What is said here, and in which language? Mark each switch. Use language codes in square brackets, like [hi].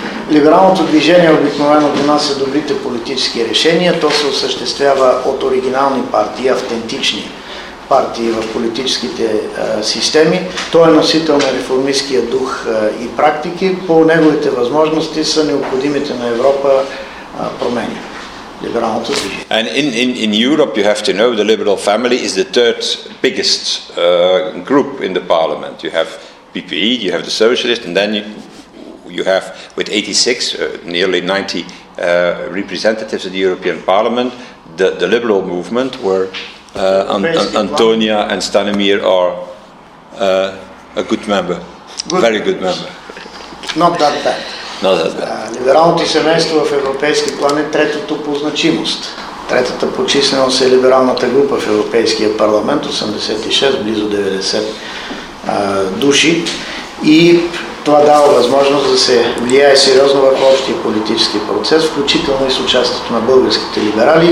[bg] Либералното движение обикновено донася добрите политически решения. То се осъществява от оригинални партии, автентични партии в политическите системи. Той е носител на реформистския дух и практики. По неговите възможности са необходимите на Европа промени. Либералното движение. [en] And in Europe, you have to know, the liberal family is the third biggest group in the parliament. You have PPE, you have the socialist, and then you have, with 86, nearly 90 representatives of the European Parliament, the liberal movement, where Antonia and Stanimir are a good member, good. Very good member. Not that bad. Not that bad. [bg] Либералното семейство в европейски план е третото по значимост. Третата по численост е либералната група в Европейския парламент, 86, близо 90 души. И това дава възможност да се влияе сериозно върху общия политически процес, включително и с участието на българските либерали.